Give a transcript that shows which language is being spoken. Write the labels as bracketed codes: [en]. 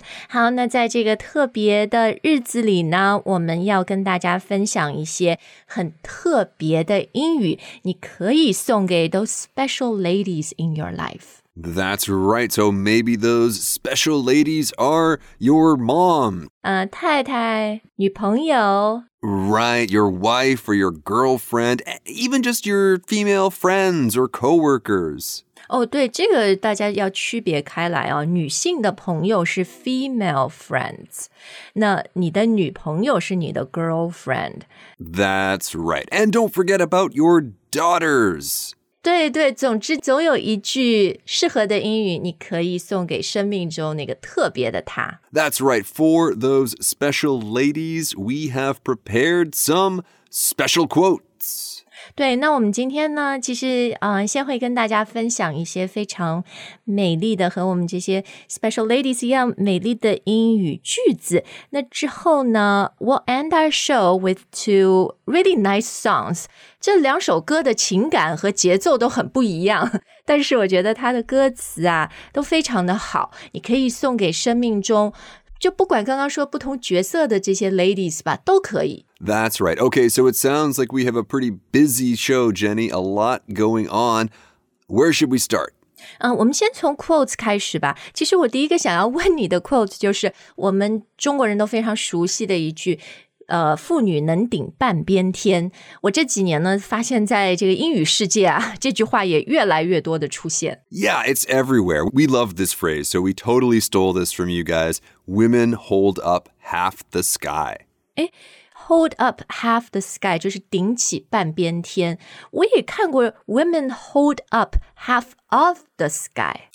[zh] 好，那在这个特别的日子里呢，我们要跟大家分享一些很特别的英语，你可以送给 [en] those special ladies in your life. That's right. So maybe those special ladies are your mom. [zh] 太太，女朋友。 [en] Right, your wife or your girlfriend, even just your female friends or coworkers. [zh] 对，这个大家要区别开来哦。女性的朋友是 [en] female friends. [zh] 那你的女朋友是你的 girlfriend. [en] That's right. And don't forget about your daughters. [zh] 对对，总之总有一句适合的英语你可以送给生命中那个特别的他。 [en] That's right. For those special ladies, we have prepared some special quotes. [zh] 对，那我们今天呢，其实先会跟大家分享一些非常美丽的和我们这些 [en] special ladies [zh] 一样美丽的英语句子。那之后呢 [en] ,we'll end our show with two really nice songs. [zh] 这两首歌的情感和节奏都很不一样，但是我觉得它的歌词啊都非常的好，你可以送给生命中就不管刚刚说不同角色的这些 ladies 吧，都可以。 [en] That's right. Okay, so it sounds like we have a pretty busy show, Jenny. A lot going on. Where should we start? [zh] 我们先从 quotes 开始吧。其实我第一个想要问你的 quotes 就是我们中国人都非常熟悉的一句妇女能顶半边天。我这几年呢发现在这个英语世界啊，这句话也越来越多的出现。 [en] Yeah, it's everywhere. We love this phrase, so we totally stole this from you guys. Women hold up half the sky. Hold up half the sky, [zh] 就是顶起半边天。我也看过 [en] women hold up half of the sky.